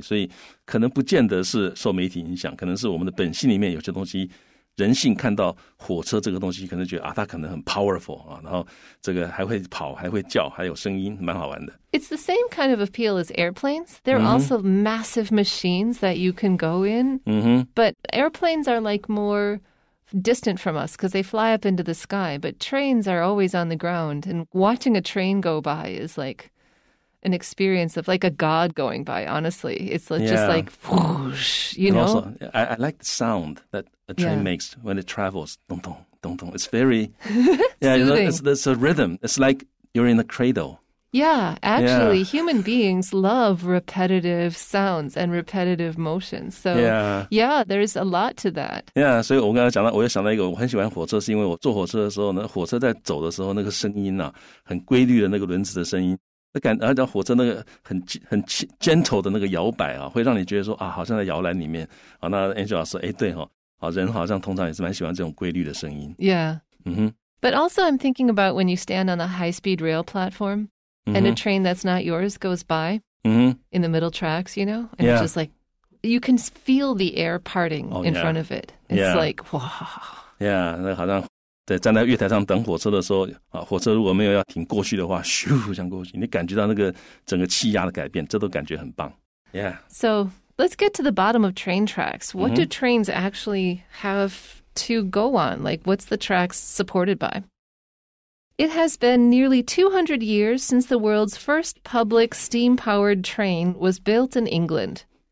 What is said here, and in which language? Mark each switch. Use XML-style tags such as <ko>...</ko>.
<zh>所以可能不见得是受媒体影响，可能是我们的本性里面有些东西，人性看到火车这个东西，可能觉得啊，它可能很 powerful 啊，然后这个还会跑，还会叫，还有声音，蛮好玩的。</zh> <en>It's the same kind of appeal as airplanes. They're also massive machines that you can go in. But airplanes are like more distant from us because they fly up into the sky. But trains are always on the ground. And watching a train go by is like an experience of like a god going by, honestly. It's just like whoosh, you know? Also, I like the sound that a train makes when it travels. Dong, dong, dong, dong. It's very, soothing. You know, it's a rhythm. It's like you're in a cradle. Yeah, actually, human beings love repetitive sounds and repetitive motions. So, yeah, there's a lot to that.</en> <zh>Yeah, 所以我刚才讲到，我又想到一个，我很喜欢火车，是因为我坐火车的时候呢，火车在走的时候那个声音啊，很规律的那个轮子的声音，那感，而且火车那个很 gentle 的那个摇摆啊，会让你觉得说啊，好像在摇篮里面啊。那 Angela 说，哎，对哈，啊，人好像通常也是蛮喜欢这种规律的声音。</zh> <en>Yeah. 嗯哼。 But also, I'm thinking about when you stand on a high-speed rail platform. And a train that's not yours goes by in the middle tracks, you know? And it's just like, you can feel the air parting in front of it. It's like, wow.</en> <zh>Yeah, 那好像在站在月台上等火车的时候、啊、火车如果没有要停过去的话，咻，这样过去，你感觉到那个整个气压的改变，这都感觉很棒。</zh> <en>Yeah. So let's get to the bottom of train tracks. What do trains actually have to go on? Like, what's the tracks supported by? It has been nearly 200 years since the world's first public steam-powered train was built in England.</en>